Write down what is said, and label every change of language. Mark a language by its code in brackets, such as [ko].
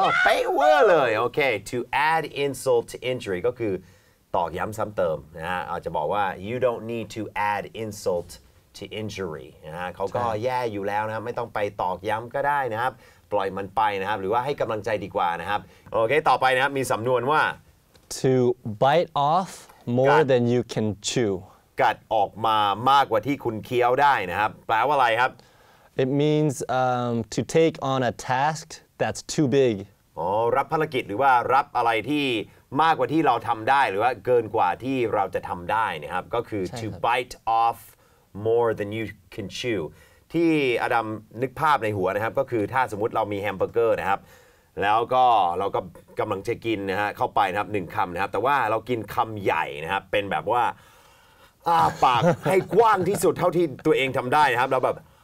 [th] เป๊ะเวอร์เลยโอเค [en] to add insult to injury [th] ก็คือตอกย้ำซ้ำเติมนะฮะอาจจะบอกว่า [en] you don't need to add insult to injury [th] นะฮะเขาก็แย่อยู่แล้วนะครับไม่ต้องไปตอกย้ำก็ได้นะครับปล่อยมันไปนะครับหรือว่าให้กำลังใจดีกว่านะครับโอเคต่อไปนะครับมีสำนวนว่า [en] to bite off more than you can chew [th] กัดออกมามากกว่าที่คุณเคี้ยวได้นะครับแปลว่าอะไรครับ [en] it means to take on a task that's too big [th] รับภารกิจหรือว่ารับอะไรที่มากกว่าที่เราทำได้หรือว่าเกินกว่าที่เราจะทำได้นะครับก็คือ [en] to bite off more than you can chew [th] ที่อดัมนึกภาพในหัวนะครับก็คือถ้าสมมติเรามีแฮมเบอร์เกอร์นะครับแล้วก็เราก็กำลังจะกินนะฮะเข้าไปนะครับ1คำนะครับแต่ว่าเรากินคำใหญ่นะครับเป็นแบบว่าปากให้กว้างที่สุดเท่าที่ตัวเองทำได้นะครับแล้วแบบ